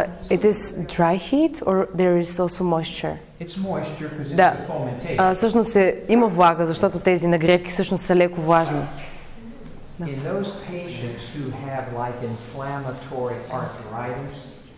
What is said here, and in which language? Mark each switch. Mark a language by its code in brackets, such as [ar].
[en] It is dry heat or there is also moisture? It's moisture because it's the fomentation. [bg] Да. Всъщност има влага, защото тези нагревки всъщност са леко влажни. [en] In those patients who have like inflammatory arthritis.